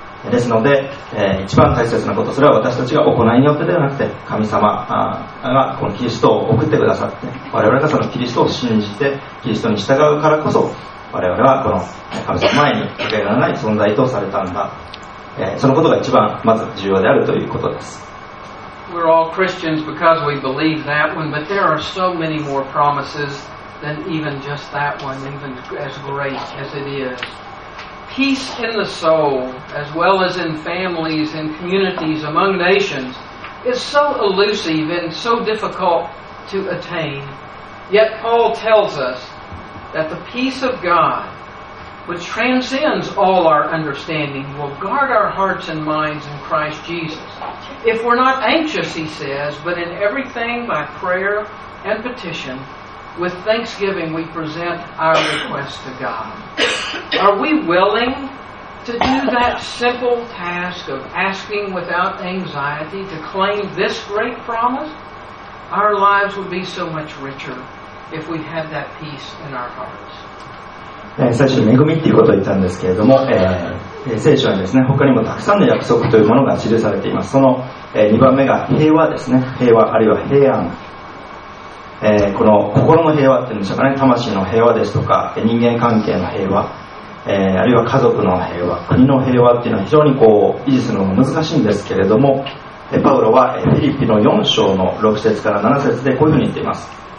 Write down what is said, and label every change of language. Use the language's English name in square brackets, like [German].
[Japanese] ですので、一番大切なこと、それは私たちが行いによってではなくて、神様がこのキリストを送ってくださって、我々がそのキリストを信じてキリストに従うからこそ、我々はこの神様前にかけられない存在とされたんだ、そのことが一番まず重要であるということです。 [English] We're all Christians because we believe that one, but there are so many more promises than even just that one, even as great as it is. Peace in the soul, as well as in families and communities among nations, is so elusive and so difficult to attain. Yet Paul tells us that the peace of God, which transcends all our understanding, will guard our hearts and minds in Christ Jesus. If we're not anxious, he says, but in everything by prayer and petition, with thanksgiving we present our requests to God. Are we willing to do that simple task of asking without anxiety to claim this great promise? Our lives would be so much richer if we had that peace in our hearts. [Japanese] 最初に恵みっていうことを言ったんですけれども、聖書はですね、他にもたくさんの約束というものが記されています。その、2番目が平和ですね。平和あるいは平安、この心の平和っていうんでしょうかね、魂の平和ですとか人間関係の平和、あるいは家族の平和、国の平和っていうのは非常にこう維持するのが難しいんですけれども、パウロはフィリピの4章の6節から7節でこういうふうに言っています。